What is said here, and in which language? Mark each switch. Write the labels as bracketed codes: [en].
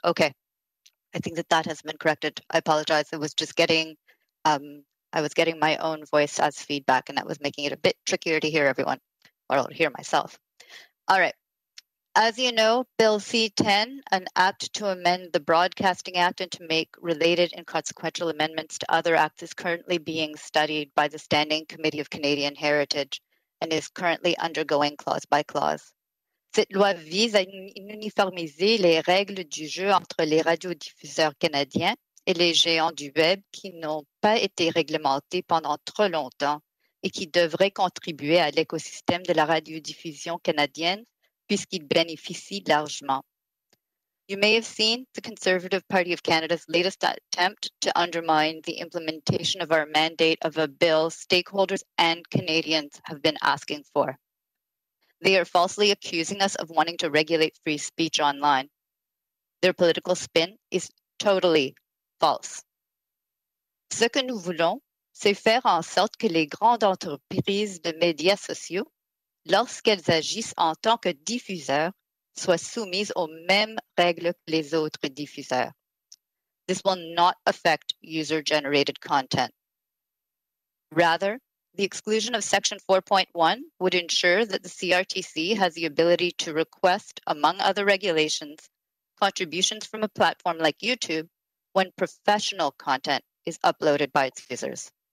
[en] Okay, I think that has been corrected. I apologize, it was just getting, I was getting my own voice as feedback, and that was making it a bit trickier to hear everyone, or I'll hear myself. All right. As you know, Bill C-10, an act to amend the Broadcasting Act and to make related and consequential amendments to other acts, is currently being studied by the Standing Committee of Canadian Heritage and is currently undergoing clause by clause. [fr] Cette loi vise à uniformiser les règles du jeu entre les radiodiffuseurs canadiens et les géants du web qui n'ont pas été réglementés pendant trop longtemps et qui devraient contribuer à l'écosystème de la radiodiffusion canadienne puisqu'il bénéficie largement. [en] You may have seen the Conservative Party of Canada's latest attempt to undermine the implementation of our mandate of a bill stakeholders and Canadians have been asking for. They are falsely accusing us of wanting to regulate free speech online. Their political spin is totally false. [fr] Ce que nous voulons, c'est faire en sorte que les grandes entreprises de médias sociaux, lorsqu'elles agissent en tant que diffuseurs, soient soumises aux mêmes règles que les autres diffuseurs. [en] This will not affect user-generated content. Rather, the exclusion of Section 4.1 would ensure that the CRTC has the ability to request, among other regulations, contributions from a platform like YouTube when professional content is uploaded by its users.